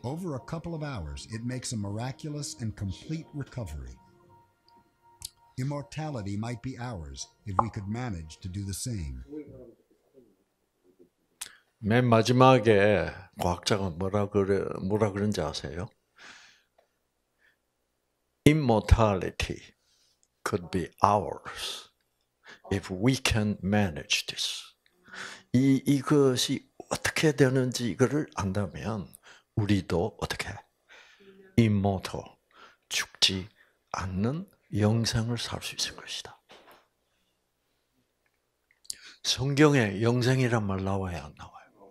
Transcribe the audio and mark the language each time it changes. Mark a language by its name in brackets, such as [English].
[English] Over a couple of hours, it makes a miraculous and complete recovery. Immortality might be ours if we could manage to do the same. [Korean] 맨 마지막에 과학자가 뭐라 그런지 아세요? [English] Immortality could be ours if we can manage this. [Korean] 이것이 어떻게 되는지 이거를 안다면 우리도 어떻게 immortal 죽지 않는 영생을 살 수 있을 것이다. 성경에 영생이란 말 나와요, 안 나와요?